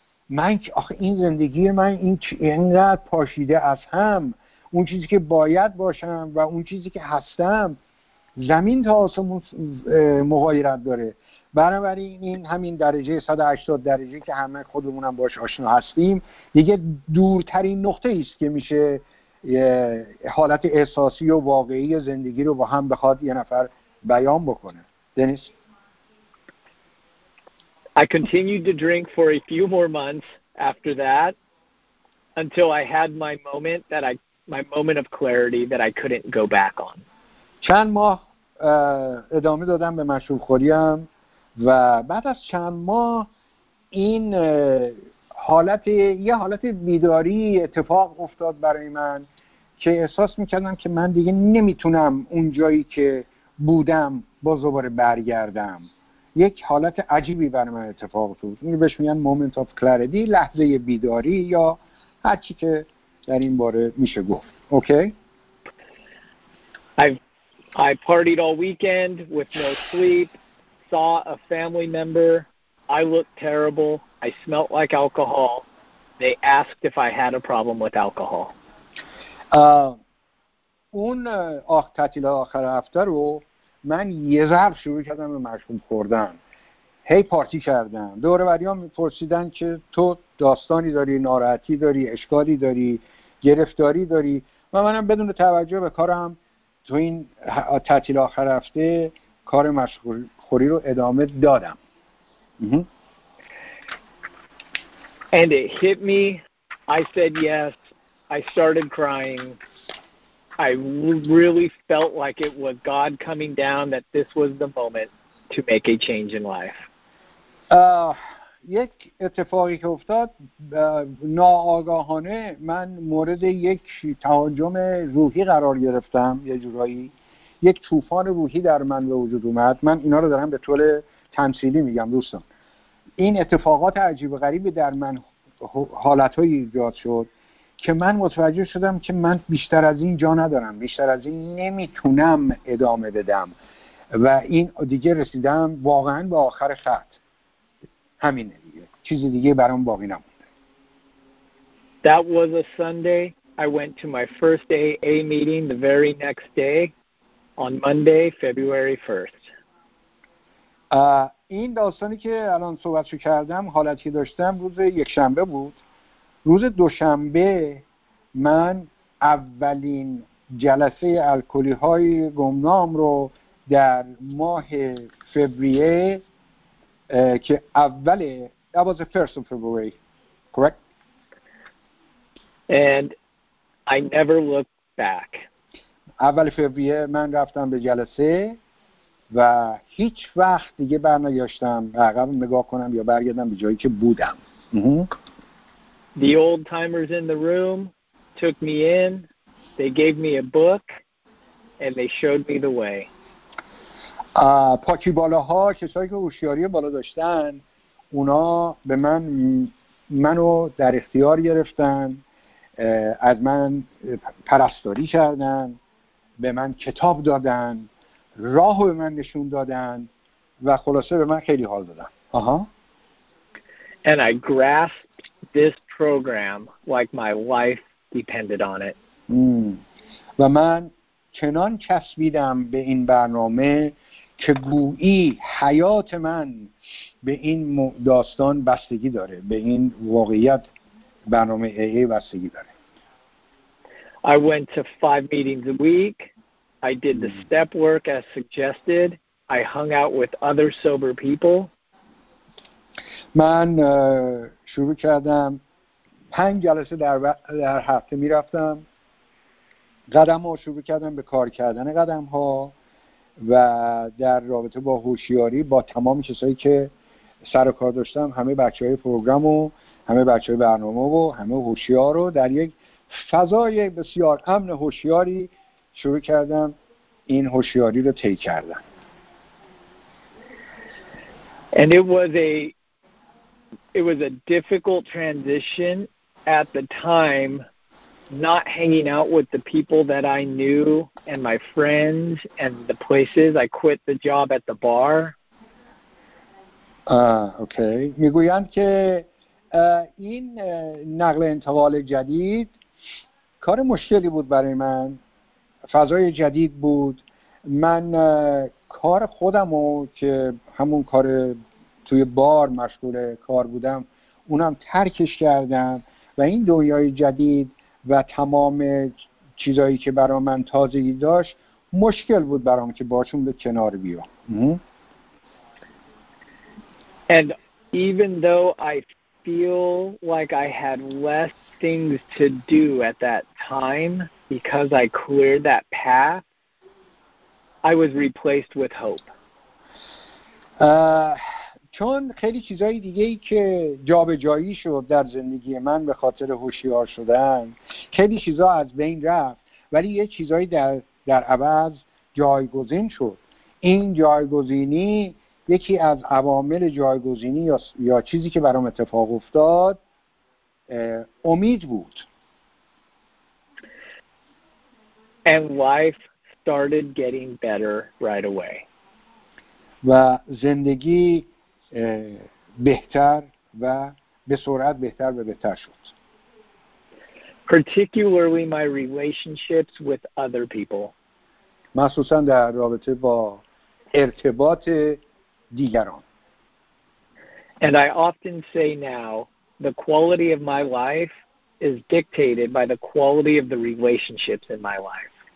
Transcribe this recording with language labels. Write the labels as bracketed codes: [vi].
[fa] من آخه این زندگی من اینقدر پاشیده از هم، اون چیزی که باید باشم و اون چیزی که هستم زمین تا آسمون مغایرت داره. بنابراین این همین درجه 180 درجه که همه خودمونم باش آشنا هستیم دیگه دورترین نقطه است که میشه حالت احساسی و واقعی زندگی رو با هم بخواد یه نفر بیان بکنه. دنیس؟ [en] I continued to drink for a few more months after that until I had my moment that I my moment of clarity that I couldn't go back on. [fa] چند ماه ادامه دادم به مشروب خوریم و بعد از چند ماه این حالت بیداری اتفاق افتاد برای من که احساس میکردم که من دیگه نمیتونم اون جایی که بودم باز دوباره برگردم. یک حالت عجیبی برای من اتفاق افتاد. اینو بهش میگن [en] moment of clarity، [fa] لحظه بیداری یا هر چی که در این باره میشه گفت. اوکی. [en] I partied all weekend with no sleep. Saw a family member. I looked terrible. I smelled like alcohol. They asked if I had a problem with alcohol. [fa] اون تعطیل آخر هفته رو من یه ضرب شروع کردم به مشروب خوردن. هی پارتی کردم. دور و بریام پرسیدن که تو داستانی داری، ناراحتی داری، اشکالی داری، گرفتاری داری. منم بدون توجه به کارم تو این تعطیل آخر هفته کار مشغول خوری رو ادامه دادم. [en] And it hit me. I said yes. I started crying. I really felt like it was God coming down, that this was the moment to make a change in life. [fa] یک اتفاقی که افتاد ناآگاهانه من مورد یک تهاجم روحی قرار گرفتم، یه جورایی یک طوفان روحی در من به وجود اومد. من اینا رو دارم به طور تمثیلی میگم دوستان. این اتفاقات عجیب و غریبی در من حالتهایی ایجاد شد که من متوجه شدم که من بیشتر از این جا ندارم، بیشتر از این نمیتونم ادامه بدم و این دیگه رسیدم واقعا به آخر خط، همینه دیگه، چیز دیگه برام باقی نمونده. [en] That was a Sunday. I went to my first AA meeting the very next day on Monday, February 1st. [fa] این داستانی که الان صحبتشو کردم حالتی داشتم روز یک شنبه بود. روز دوشنبه من اولین جلسه الکلی های گمنام رو در ماه فوریه که اول [en] that was the first of February, correct? And I never looked back. [fa] اول فوریه من رفتم به جلسه و هیچ وقت دیگه برنگشتم عقب نگاه کنم یا برگردم به جایی که بودم. [en] The old timers in the room took me in, they gave me a book and they showed me the way. [fa] پاکی بالاها، کسایی که هوشیاری بالا داشتن، اونا به من منو در اختیار گرفتن، از من پرستاری کردن، به من کتاب دادن، راهو به من نشون دادن و خلاصه به من خیلی حال دادن. [en] And I grasped this program like my life depended on it. [fa] و من چنان چسبیدم به این برنامه که گویی حیات من به این داستان بستگی داره، به این واقعیت برنامه AA بستگی داره. [en] I went to 5 meetings a week. I did the step work as suggested. I hung out with other sober people. [fa] من شروع کردم 5 جلسه در هفته می رفتم، قدم ها شروع کردم به کار کردن قدم ها و در رابطه با هوشیاری با تمام کسایی که سر و کار داشتم، همه بچه های پروگرام و همه بچه های برنامه و همه هوشیار رو در یک فضای بسیار امن هوشیاری شروع کردم این هوشیاری رو طی کردن. [en] And it was a difficult transition at the time, not hanging out with the people that I knew and my friends and the places. I quit the job at the bar. Okay. [fa] میگویند که این نقل انتقال جدید کار مشکلی بود برای من. فضای جدید بود. من کار خودمو که همون کار توی بار مشغول کار بودم اونم ترکش کردم و این دنیای جدید و تمام چیزایی که برای من تازگی داشت مشکل بود برام که باشون به کنار بیام. [en] And even though I feel like I had less things to do at that time because I cleared that path, I was replaced with hope. [fa] چون خیلی چیزای دیگه‌ای که جابجایی شد در زندگی من به خاطر هوشیار شدن، خیلی چیزا از بین رفت، ولی یه چیزایی در عوض جایگزین شد. این جایگزینی یکی از عوامل جایگزینی یا چیزی که برام اتفاق افتاد امید بود. [en] And life started getting better right away. [fa] و زندگی بهتر و به سرعت بهتر و بهتر شد. [en] Particularly my relationships with other people. [fa] مخصوصا در رابطه با ارتباط دیگران. [en] And I often say now the quality of my life is dictated by the quality of the relationships in my life.